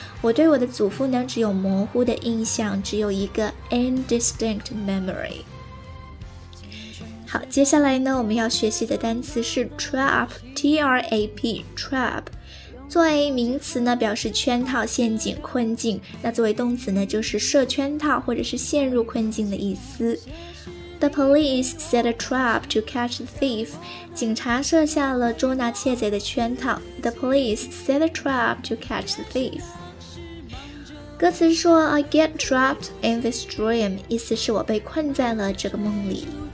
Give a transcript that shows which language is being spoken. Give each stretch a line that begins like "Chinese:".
Chinese: 我对我的祖父呢只有模糊的印象，只有一个
English: indistinct memory。
Chinese: 好，接下来呢我们要学习的单词是 trap, T-R-A-P, trap。作为名词呢表示圈套、陷阱、困境，那作为动词呢就是设圈套或者是陷入困境的意思。
English: The police set a trap to catch the thief.
Chinese: 警察设下了捉拿窃贼的圈套。
English: The police set a trap to catch the thief.
Chinese: 歌词说
English: I get trapped in this dream.
Chinese: 意思是我被困在了这个梦里。